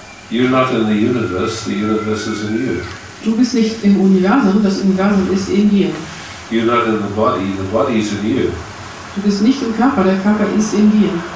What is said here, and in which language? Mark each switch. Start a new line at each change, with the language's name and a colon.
English: You're not in the universe. The universe is in you.
German: Du bist nicht im Universum, das Universum ist in dir.
English: You're not in the body, the body is in you.
German: Du bist nicht im Körper, der Körper ist in dir.